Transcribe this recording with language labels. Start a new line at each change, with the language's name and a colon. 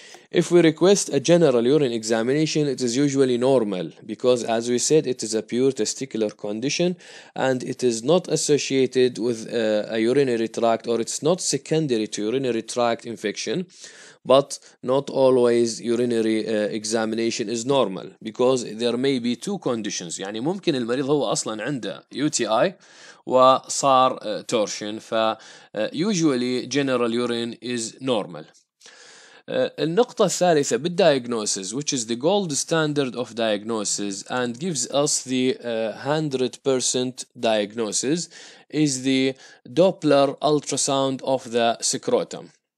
English: If we request a general urine examination, it is usually normal because, as we said, it is a pure testicular condition and it is not associated with a urinary tract, or it's not secondary to urinary tract infection. But not always urinary examination is normal because there may be two conditions.
Arabic: يعني ممكن المريض هو أصلا عنده UTI وصار torsion.
English: Usually general urine is normal.
Arabic: النقطة الثالثة
English: بالdiagnosis, which is the gold standard of diagnosis and gives us the 100% diagnosis, is the Doppler ultrasound of the scrotum.